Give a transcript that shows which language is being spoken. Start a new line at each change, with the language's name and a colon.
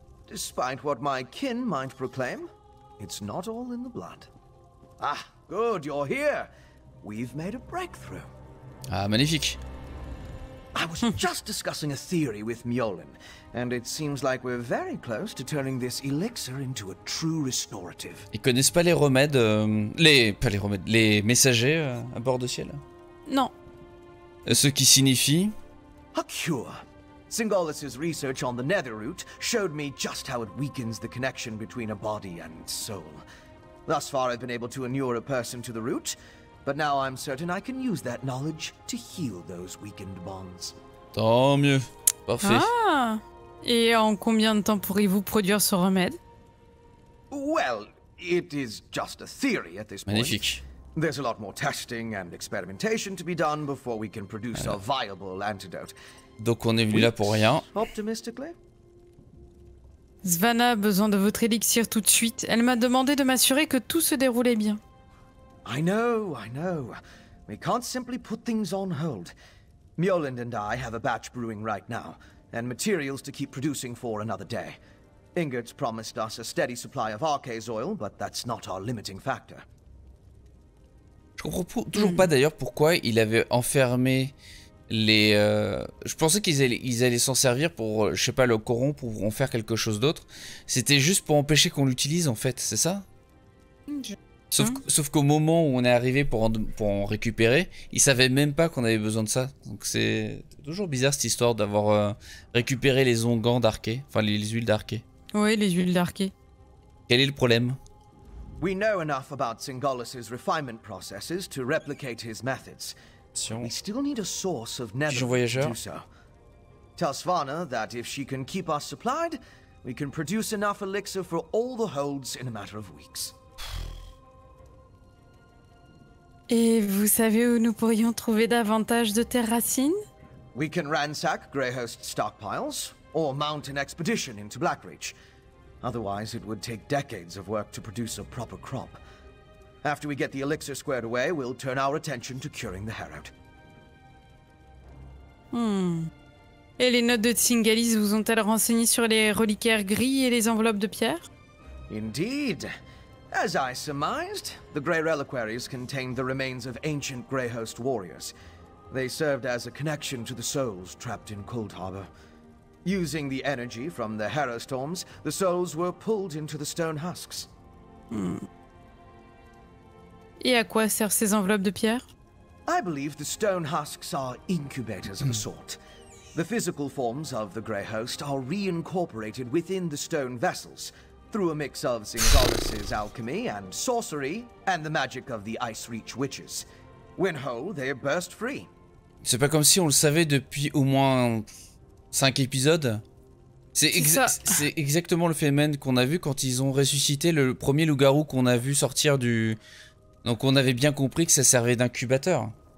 English: Despite what my kin might proclaim, it's not all in the blood. Ah, good, you're here. We've made a breakthrough.
French: Ah, magnifique.
English: I was just discussing a theory with Mjolnir, and it seems like we're very close to turning this elixir into a true restorative.
French: Ils connaissent pas les remèdes, les messagers à bord de ciel. Non. Ce qui signifie.
English: A cure. Singolus's research on the nether root showed me just how it weakens the connection between a body and soul. Thus far, I've been able to inure a person to the root, but now I'm certain I can use that knowledge to heal those weakened bonds.
French: Tant mieux. Parfait. Ah. Et en combien de temps pourriez-vous produire ce remède?
English: Well, it is just a theory at this
French: Magnifique.
English: Point. There's a lot more testing and experimentation to be done before we can produce a viable antidote.
French: Donc on est venu là pour rien. Svana a besoin de votre élixir tout de suite. Elle m'a demandé de m'assurer que tout se déroulait bien.
English: I know. We can't simply put things on hold. Mjolnir and I have a batch brewing right now, and materials to keep producing for another day. Ingert's promised us a steady supply of Arkay's oil, but that's not our limiting factor.
French: Je comprends toujours pas d'ailleurs pourquoi il avait enfermé les. Je pensais qu'ils allaient s'en servir pour, je sais pas, le coron pour en faire quelque chose d'autre. C'était juste pour empêcher qu'on l'utilise en fait, c'est ça? Sauf qu'au moment où on est arrivé pour en récupérer, ils savaient même pas qu'on avait besoin de ça. Donc c'est toujours bizarre cette histoire d'avoir récupéré les onguents d'Arkay, enfin les huiles d'Arkay. Oui, les huiles d'Arkay. Quel est le problème?
English: We know enough about Singolus's refinement processes to replicate his methods. We still need a source of nether to do so. Tell Svana that if she can keep us supplied, we can produce enough elixir for all the holds in a matter of weeks.
French: Et vous savez où nous pourrions trouver davantage de terres racines?
English: We can ransack Greyhost stockpiles or mount an expedition into Blackreach. Otherwise, it would take decades of work to produce a proper crop. After we get the elixir squared away, we'll turn our attention to curing the Harrowed.
French: Et les notes de Tsingalis vous ont-elles renseigné sur les reliquaires gris et les enveloppes de pierre?
English: Indeed. As I surmised, the Grey Reliquaries contained the remains of ancient Greyhost warriors. They served as a connection to the souls trapped in Cold Harbor. Using the energy from the Harrowstorms, the souls were pulled into the stone husks.
French: Et à quoi servent ces enveloppes de pierre?
English: I believe the stone husks are incubators of a sort. The physical forms of the Grey Host are reincorporated within the stone vessels through a mix of Zingolus's alchemy and sorcery and the magic of the Ice Reach witches. When whole, they burst free.
French: C'est pas comme si on le savait depuis au moins 5 épisodes. C'est exactement le phénomène qu'on a vu quand ils ont ressuscité le premier loup-garou qu'on a vu sortir du. Donc on avait bien compris que ça servait d'incubateur.